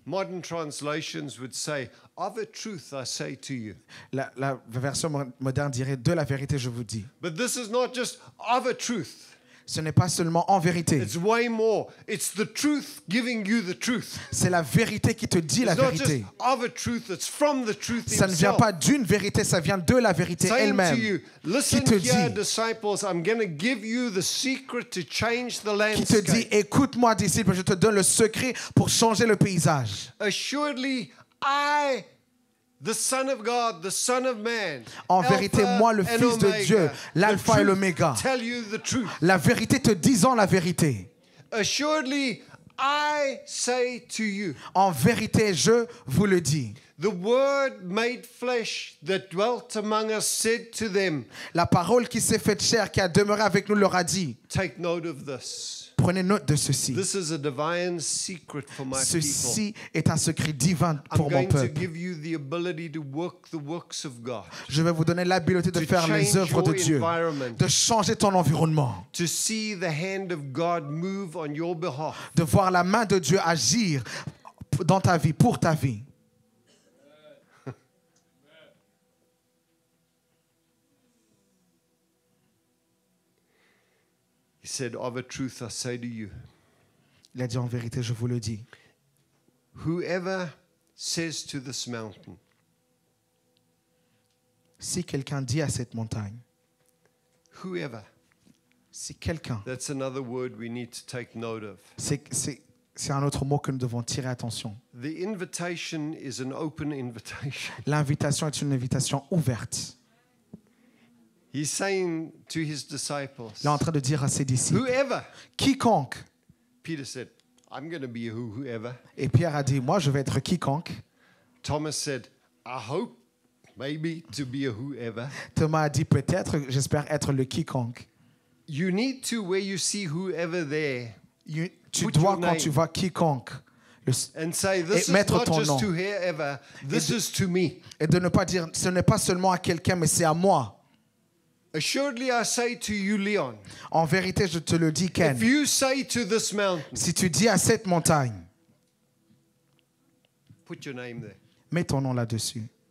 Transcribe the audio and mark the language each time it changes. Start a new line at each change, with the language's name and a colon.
English: Modern translations would say, of a truth I say to you.
French: La version moderne dirait, de la vérité, je vous dis.
English: But this is not just of a truth.
French: Ce n'est pas seulement en vérité.
English: It's way more. It's the truth giving you the truth.
French: C'est la vérité qui te dit
English: it's
French: la vérité.
English: It's not just of a truth. It's from the truth itself.
French: Ça ne vient pas d'une vérité. Ça vient de la vérité
English: same
French: elle-même.
English: To you. Listen
French: qui te
English: here,
French: dit,
English: disciples. I'm going to give you the secret to change the landscape.
French: Qui te dit, écoute-moi, disciple. Je te donne le secret pour changer le paysage.
English: Assuredly, I the Son of God, the Son of Man.
French: En vérité, moi, le Fils de Dieu, l'Alpha et l'Oméga.
English: Tell you the truth.
French: La vérité te disant la vérité.
English: Assuredly, I say to you.
French: En vérité, je vous le dis.
English: The Word made flesh that dwelt among us said to them.
French: La parole qui s'est faite chair, qui a demeuré avec nous, leur a dit.
English: Take note of this.
French: Prenez note de ceci.
English: This is a divine secret for my people.
French: Ceci est un secret divin pour mon peuple.
English: I'm going to give you the ability to work the works of God.
French: Je vais vous donner l'habileté de faire les œuvres de Dieu. De changer ton environnement.
English: To see the hand of God move on your behalf.
French: De voir la main de Dieu agir dans ta vie, pour ta vie.
English: He said, "Of a truth, I say to you."
French: Il a dit en vérité, je vous le dis.
English: Whoever says to this mountain.
French: Si quelqu'un dit à cette montagne.
English: Whoever.
French: Si quelqu'un.
English: That's another word we need to take note of.
French: C'est un autre mot que nous devons tirer attention.
English: The invitation is an open invitation.
French: L'invitation est une invitation ouverte.
English: He's saying to his disciples.
French: Il est en train de dire à ses disciples.
English: Whoever.
French: Quiconque.
English: Peter said, "I'm going to be whoever."
French: Et Pierre a dit, moi je vais être quiconque.
English: Thomas said, "I hope maybe to be a whoever."
French: Thomas a dit peut-être, j'espère être le quiconque.
English: You need to where you see whoever there.
French: Tu dois quand tu vois quiconque.
English: And say this is not just to whoever. This is to me.
French: Et de ne pas dire, ce n'est pas seulement à quelqu'un, mais c'est à moi.
English: Assuredly, I say to you, Leon.
French: En vérité, je te le dis, Ken.
English: If you say to this mountain,
French: si tu dis à cette montagne,
English: put your name there.
French: Mets ton nom là-dessus.